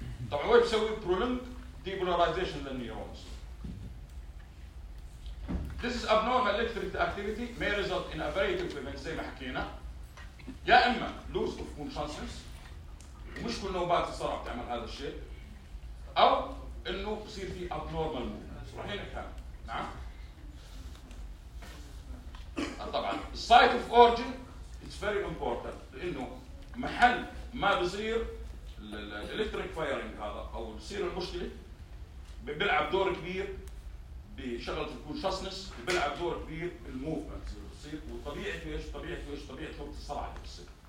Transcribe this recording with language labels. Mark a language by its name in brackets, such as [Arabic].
[Arabic] طبعا هو يسوي [English] Prolonged depolarisation للنيورونز. This is abnormal electrical activity may result in a variety of events [Arabic] زي ما حكينا. يا اما [English] loss of consciousness, [Arabic] مش كل نوبات الصرع بتعمل هذا الشيء، او انه بصير في [English] abnormal movement. [Arabic] نعم. طبعا [English] site of origin it's very important، [Arabic] لانه محل ما بصير [English] الالكتريك فايرنج [Arabic] هذا او بصير المشكله بيلعب دور كبير بشغله الكونشسنس، بيلعب دور كبير بالموفمنت اللي بصير، وطبيعه ايش طبيعه وقت الصرع اللي بصير.